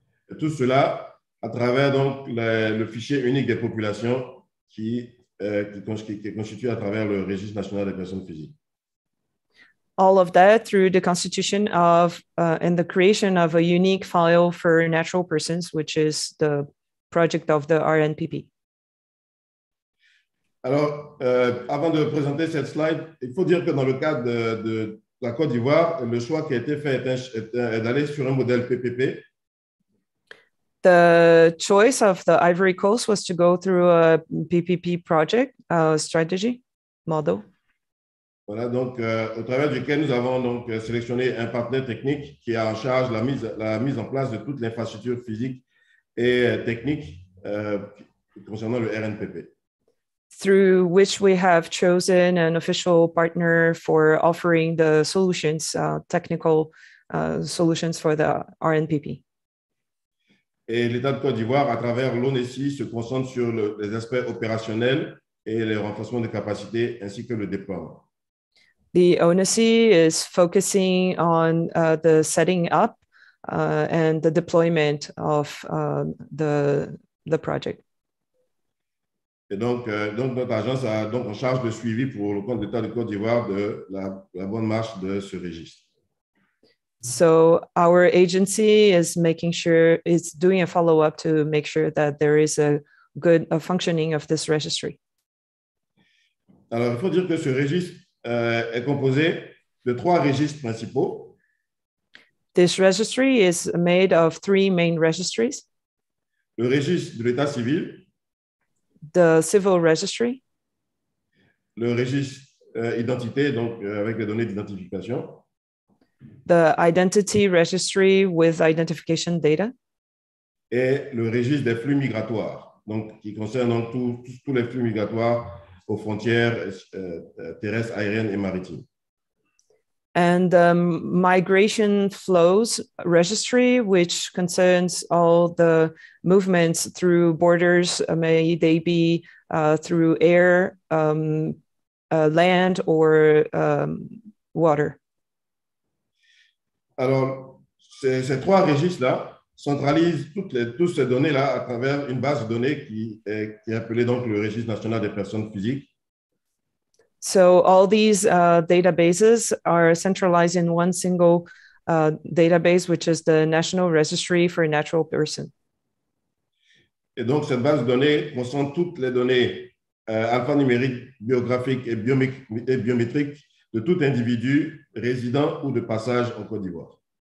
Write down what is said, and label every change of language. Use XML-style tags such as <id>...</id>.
<fr>Et tout cela à travers donc le fichier unique des populations qui est constitué à travers le registre national des personnes physiques.</fr> <en>All of that through the constitution of and the creation of a unique file for natural persons, which is the project of the RNPP.</en> <fr>Alors, avant de présenter cette slide, il faut dire que dans le cadre de la Côte d'Ivoire, le choix qui a été fait est d'aller sur un modèle PPP.</fr> <en>The choice of the Ivory Coast was to go through a PPP project strategy model.</en> <fr>Voilà, donc au travers duquel nous avons donc sélectionné un partenaire technique qui a en charge la mise en place de toute l'infrastructure physique et technique concernant le RNPP.</fr> <en>Through which we have chosen an official partner for offering the solutions, technical solutions for the RNPP.</en> <fr>Et l'État de Côte d'Ivoire, à travers l'ONECI, se concentre sur les aspects opérationnels et le renforcement des capacités ainsi que le déploiement.</fr> <en>The ONECI is focusing on the setting up and the deployment of the project.</en> <fr>Et donc notre agence a donc en charge le suivi pour le compte de l'État de Côte d'Ivoire de la bonne marche de ce registre.</fr> <en>So our agency is making sure, is doing a follow-up to make sure that there is a good functioning of this registry.</en> <fr>Alors, il faut dire que ce registre est composé de trois registres principaux.</fr> <en>This registry is made of three main registries.</en> <fr>Le registre de l'état civil.</fr> <en>The civil registry.</en> <fr>Le registre identité, donc avec les données d'identification.</fr> <en>The identity registry with identification data.</en> <fr>Et le registre des flux migratoires, donc qui concerne donc tous les flux migratoires aux frontières terrestres, aériennes et maritimes.</fr> <en>And the migration flows registry, which concerns all the movements through borders, may they be through air, land or water.</en> <fr>Alors, ces trois registres-là centralisent toutes ces données-là à travers une base de données qui est appelée donc le Registre national des personnes physiques.</fr> <en>So, all these databases are centralized in one single database, which is the National Registry for Natural Persons.</en> <fr>Et donc, cette base de données concentre toutes les données alphanumériques, biographiques et biométriques de tout individu résident ou de passage en Côte d'Ivoire.</fr>